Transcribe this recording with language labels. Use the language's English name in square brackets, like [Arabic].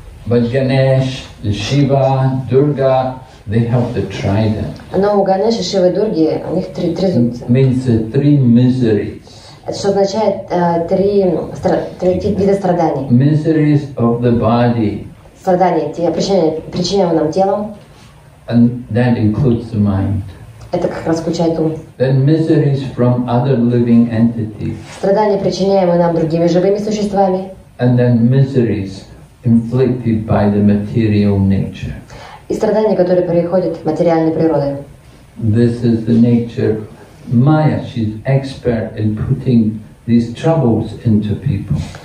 [English] But Ganesh, Shiva, Durga, they have the trident. [Russian] Но у Ганеша, Шивы, Дурги, у них три трезубца. [English] Means three miseries. [Russian] Это что означает три вида страданий. [English] Miseries of the body. [Russian] Страдания, причиняемые нам телом. [English] And that includes the mind. [Russian] Это как раз включает ум. [English] Then miseries from other living entities. [Russian] Страдания, причиняемые нам другими живыми существами. [English] And then miseries inflicted by the material nature. [Russian] И страдания, которые приходят от материальной природы. [English] This is the nature of Maya. She's expert in putting these troubles into people.